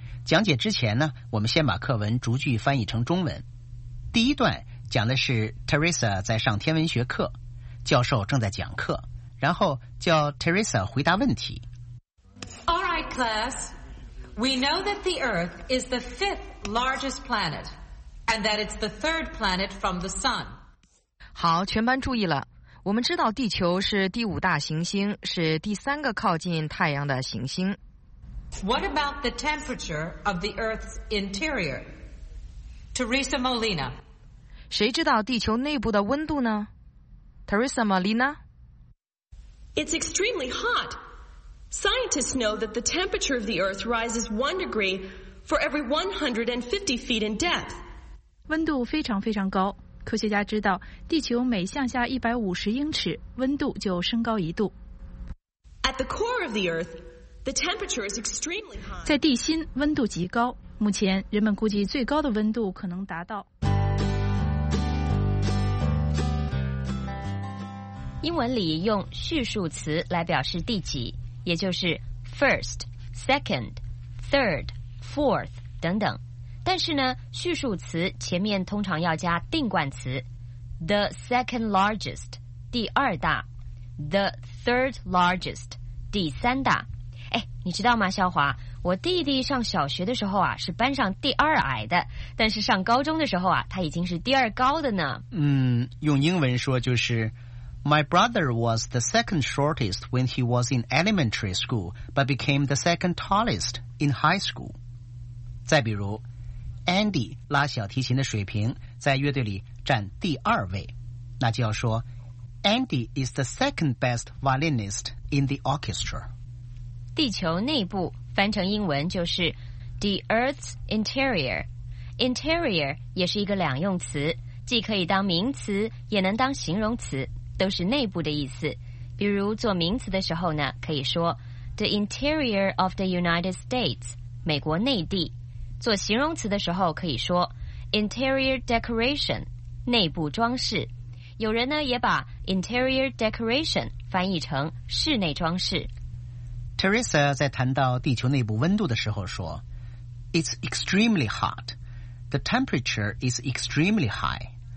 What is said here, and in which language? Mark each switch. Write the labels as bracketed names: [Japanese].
[Chinese] 讲解之前呢，我们先把课文逐句翻译成中文。第一段讲的是 Teresa 在上天文学课，教授正在讲课，然后叫 Teresa 回答问题。 [English] All right, class. We know that the Earth is the fifth largest planet, and that it's the third planet from the sun. [Chinese] 好，全班注意了。我们知道地球是第五大行星，是第三个靠近太阳的行星。 [English] What about the temperature of the Earth's interior? Teresa Molina. [Chinese] 谁知道地球内部的温度呢？ Teresa Molina. [English] It's extremely hot. Scientists know that the temperature of the Earth rises 1 degree for every 150 feet in depth. [Chinese] 温度非常非常高。科学家知道地球每向下150英尺温度就升高一度。 [English] At the core of the Earth,The temperature is extremely high. [Chinese] 在地心温度极高，目前人们估计最高的温度可能达到。英文里用序数词来表示第几，也就是 [English] first, second, third, fourth [Chinese] 等等。但是呢，序数词前面通常要加定冠词 ， [English] the second largest [Chinese] 第二大 ， [English] the third largest [Chinese] 第三大。哎，你知道吗，肖华，我弟弟上小学的时候啊是班上第二矮的，但是上高中的时候啊他已经是第二高的呢。嗯，用英文说就是 [English] My brother was the second shortest when he was in elementary school, but became the second tallest in high school. [Chinese] 再比如 Andy 拉小提琴的水平在乐队里占第二位，那就要说 [English] Andy is the second best violinist in the orchestra. [Chinese] 地球内部翻成英文就是 [English] The Earth's Interior. [Chinese] Interior 也是一个两用词，既可以当名词也能当形容词，都是内部的意思。比如做名词的时候呢，可以说 [English] The Interior of the United States, [Chinese] 美国内地。做形容词的时候可以说 [English] Interior Decoration, [Chinese] 内部装饰。有人呢也把 Interior Decoration 翻译成室内装饰。 Teresa 在谈到地球内部温度的时候说 [English] It's extremely hot. The temperature is extremely high.